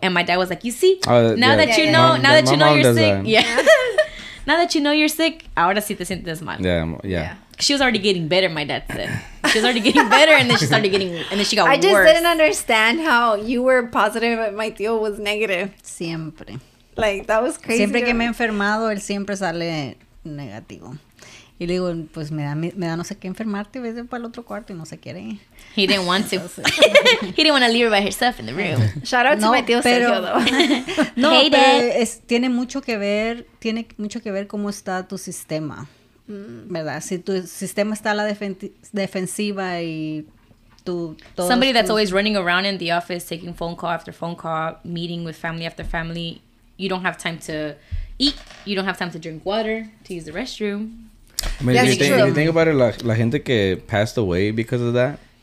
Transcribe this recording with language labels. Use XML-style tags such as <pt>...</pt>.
<en>And my dad was like, "You see, now that you know you're sick,</en> <es>ahora sí te sientes mal."</es> <en>Yeah. She was already getting better. My dad said she was already getting better, and then she started getting, and then she got worse. I just worse. Didn't understand how you were positive and my tío was negative.</en> <es>Siempre.</es> <en>Like that was crazy.</en> <es>Siempre que me he enfermado, él siempre sale negativo. Y le digo, pues me da no sé qué enfermarte, ves para el otro cuarto y no se quiere.</es> <en>He didn't want to.</en> <es>Entonces,</es> <en>he didn't want to leave her by herself in the room. Shout out to my tío Sergio, though.</en> <es>No, pero tiene mucho que ver cómo está tu sistema, ¿verdad? Si tu sistema está a la defensiva y tú...</es> <en>Somebody that's always running around in the office, taking phone call after phone call, meeting with family after family, you don't have time to eat, you don't have time to drink water, to use the restroom... I mean, if you think about it,</en> <es>la gente que</es> <en>passed away because of that.</en>